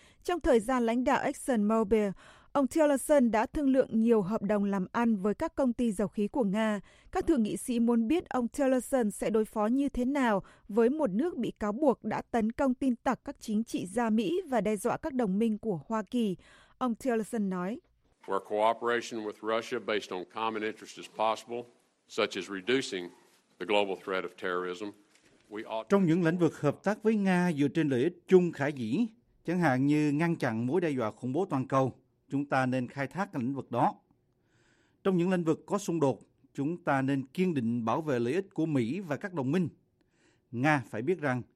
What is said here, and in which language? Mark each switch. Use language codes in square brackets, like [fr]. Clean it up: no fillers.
[vi] Trong thời gian lãnh đạo ExxonMobil, ông Tillerson đã thương lượng nhiều hợp đồng làm ăn với các công ty dầu khí của Nga. Các thượng nghị sĩ muốn biết ông Tillerson sẽ đối phó như thế nào với một nước bị cáo buộc đã tấn công tin tặc các chính trị gia Mỹ và đe dọa các đồng minh của Hoa Kỳ. Ông Tillerson nói. [en] Our cooperation with Russia based on common interests is possible, such as reducing the global threat of terrorism. [vi] Trong những lĩnh vực hợp tác với Nga dựa trên lợi ích chung khả dĩ, chẳng hạn như ngăn chặn mối đe dọa khủng bố toàn cầu, chúng ta nên khai thác lĩnh vực đó. Trong những lĩnh vực có xung đột, chúng ta nên kiên định bảo vệ lợi ích của Mỹ và các đồng minh. Nga phải biết rằng